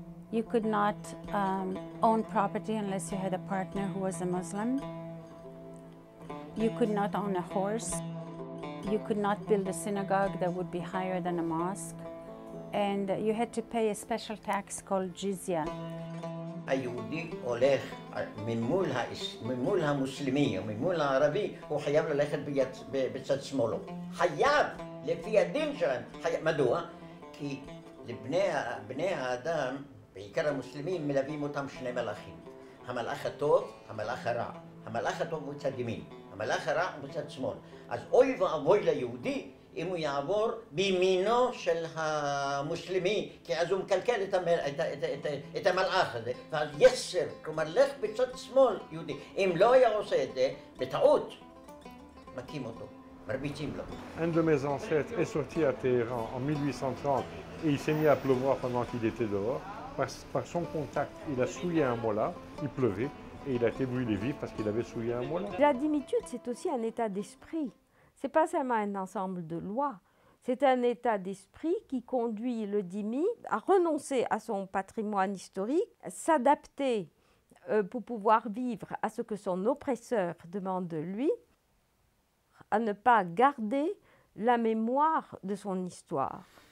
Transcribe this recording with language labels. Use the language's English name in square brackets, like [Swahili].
[English] You could not own property unless you had a partner who was a Muslim. You could not own a horse. You could not build a synagogue that would be higher than a mosque. And you had to pay a special tax called jizya. [Hebrew] היהודי הולך ממול המוסלמי או ממול הערבי, הוא חייב ללכת בצד שמאלו. חייב, לפי הדין שלהם. מדוע? כי לבני האדם, בעיקר המוסלמים, מלווים אותם שני מלאכים. המלאך הטוב, המלאך הרע. המלאך הטוב הוא צד ימין. המלאך הרע הוא צד שמאל. אז אוי ואבוי ליהודי אם הוא יעבור בימינו של המוסלמי, כי אז הוא מקלקל את, את, את, את, את המלאך הזה. ואז יסר, כלומר לך בצד שמאל יהודי. אם לא היה עושה את זה, בטעות, מכים אותו. [French] Un de mes ancêtres est sorti à Téhéran en 1830 et il s'est mis à pleuvoir pendant qu'il était dehors. Par son contact, il a souillé un mollah, il pleuvait et il a été brûlé vif parce qu'il avait souillé un mollah. La dhimmitude, c'est aussi un état d'esprit. Ce n'est pas seulement un ensemble de lois. C'est un état d'esprit qui conduit le dhimmi à renoncer à son patrimoine historique, à s'adapter pour pouvoir vivre à ce que son oppresseur demande de lui, à ne pas garder la mémoire de son histoire.